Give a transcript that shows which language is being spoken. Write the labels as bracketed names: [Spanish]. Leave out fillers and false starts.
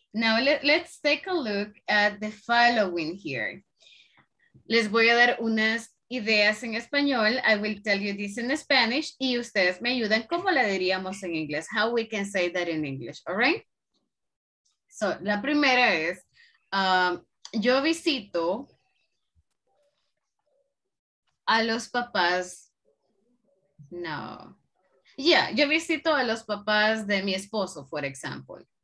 [English] Now, let's take a look at the following here. [Spanish] Les voy a dar unas ideas en español. [English] I will tell you this in Spanish. [Spanish] Y ustedes me ayudan como la diríamos en inglés. [English] How we can say that in English, all right? [Spanish] So, la primera es, yo visito a los papás. No. Yeah, yo visito a los papás de mi esposo, for example.